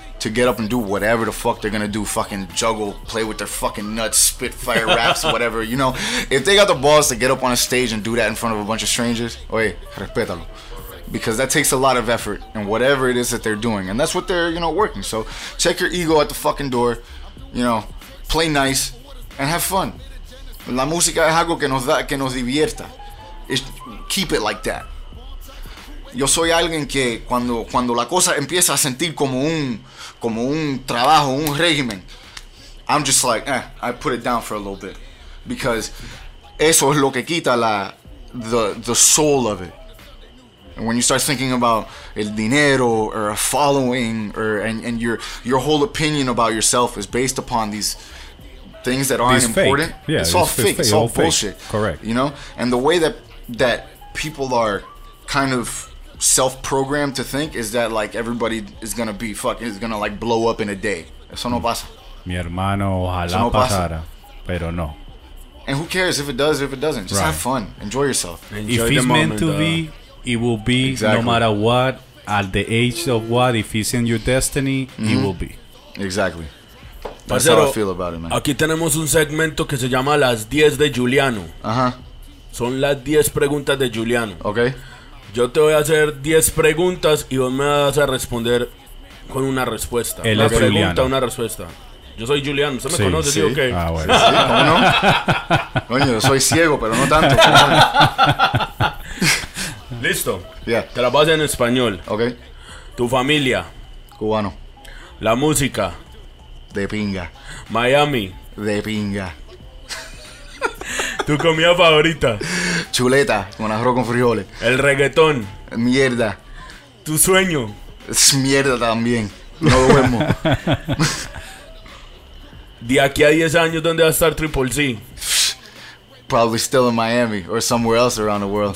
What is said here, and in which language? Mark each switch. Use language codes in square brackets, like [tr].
[en] to get up and do whatever the fuck they're gonna do, fucking juggle, play with their fucking nuts, spit fire raps, whatever, you know, if they got the balls to get up on a stage and do that in front of a bunch of strangers, [es] oye, respétalo, [en] because that takes a lot of effort and whatever it is that they're doing, and that's what they're, you know, working. So check your ego at the fucking door, you know, play nice and have fun. [es] La música es algo que nos da, que nos divierta. [en] It's, keep it like that. [es] Yo soy alguien que cuando la cosa empieza a sentir como un trabajo, un régimen, [en] I'm just like, I put it down for a little bit. Because [es] eso es lo que quita [en] the soul of it. And when you start thinking about [es] el dinero [en] or a following or and your whole opinion about yourself is based upon these things that aren't important. Yeah, it's all fake. It's all bullshit. Fake. Correct. You know? And the way that people are kind of self-programmed to think is that like everybody is gonna be fucking is gonna like blow up in a day. [es] Eso no pasa. Mi hermano, ojalá no pasara, pero no. [en] And who cares if it does or if it doesn't? Just right. Have fun, enjoy yourself. Enjoy if the he's moment, meant to be, it will be exactly. No matter what, at the age of what, if he's in your destiny, mm-hmm. He will be. Exactly. That's pero how I feel about it, man. [es] Aquí tenemos un segmento que se llama Las 10 de Giuliano. Ajá. Son las 10 preguntas de Giuliano. Okay. Yo te voy a hacer 10 preguntas y vos me vas a responder con una respuesta. Él una es pregunta, Giuliano. Una respuesta. Yo soy Giuliano, ¿usted me conoce? Sí, digo, okay. Ah, bueno. Sí, ¿cómo no? Coño, yo soy ciego, pero no tanto. Listo. [en] Yeah. [es] Te la vas en español. Ok. Tu familia. Cubano. La música. De pinga. Miami. De pinga. ¿Tu comida favorita? Chuleta, con arroz con frijoles. ¿El reggaetón? Mierda. ¿Tu sueño? Es mierda también. No duermo. ¿De aquí a 10 años dónde va a estar Triple C? [en] Probably still in Miami or somewhere else around the world.